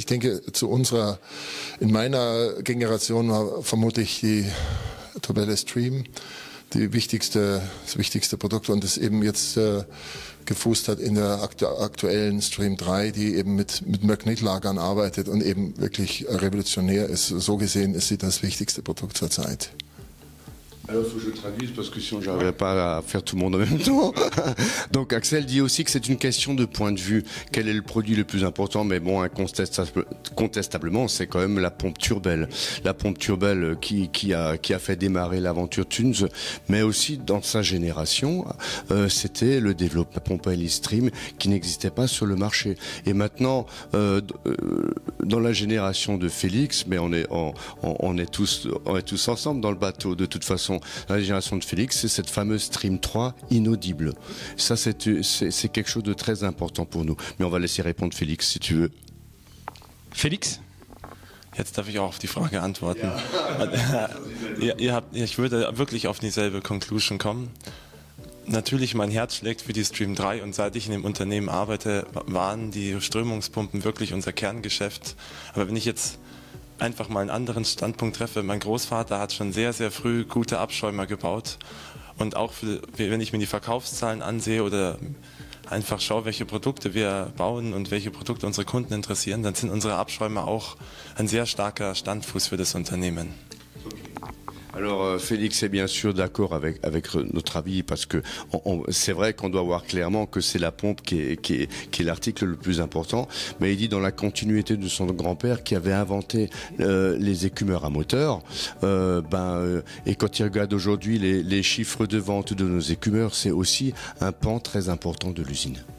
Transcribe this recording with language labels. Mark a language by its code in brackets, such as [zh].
[de] Ich denke, in meiner Generation war vermutlich die Turbelle Stream das wichtigste Produkt und das eben jetzt gefußt hat in der aktuellen Stream 3, die eben mit McNitt-Lagern arbeitet und eben wirklich revolutionär ist. So gesehen ist sie das wichtigste Produkt zur Zeit. [fr] Alors, faut que je traduise parce que sinon, j'arriverai pas à faire tout le monde en même temps. Donc, Axel dit aussi que c'est une question de point de vue. Quel est le produit le plus important? Mais bon, incontestablement, c'est quand même la pompe Turbel. La pompe Turbel qui a fait démarrer l'aventure Thunes, mais aussi dans sa génération, c'était le développement pompe Helistream qui n'existait pas sur le marché. Et maintenant, dans la génération de Félix, mais on est tous ensemble dans le bateau de toute façon. La génération de Félix, c'est cette fameuse Stream 3 inaudible. Ça, c'est quelque chose de très important pour nous. Mais on va laisser répondre Félix, si tu veux. Félix? [de] Jetzt darf ich auch auf die Frage antworten. Ich würde wirklich auf dieselbe Conclusion kommen. Natürlich, mein Herz schlägt für die Stream 3 und seit ich in dem Unternehmen arbeite, waren die Strömungspumpen wirklich unser Kerngeschäft. Aber wenn ich jetzt einfach mal einen anderen Standpunkt treffe. Mein Großvater hat schon sehr, sehr früh gute Abschäumer gebaut. Und auch wenn ich mir die Verkaufszahlen ansehe oder einfach schaue, welche Produkte wir bauen und welche Produkte unsere Kunden interessieren, dann sind unsere Abschäumer auch ein sehr starker Standfuß für das Unternehmen. [fr] Alors, Félix est bien sûr d'accord avec notre avis parce que c'est vrai qu'on doit voir clairement que c'est la pompe qui est l'article le plus important. Mais il dit dans la continuité de son grand-père qui avait inventé les écumeurs à moteur. Et quand il regarde aujourd'hui les chiffres de vente de nos écumeurs, c'est aussi un pan très important de l'usine.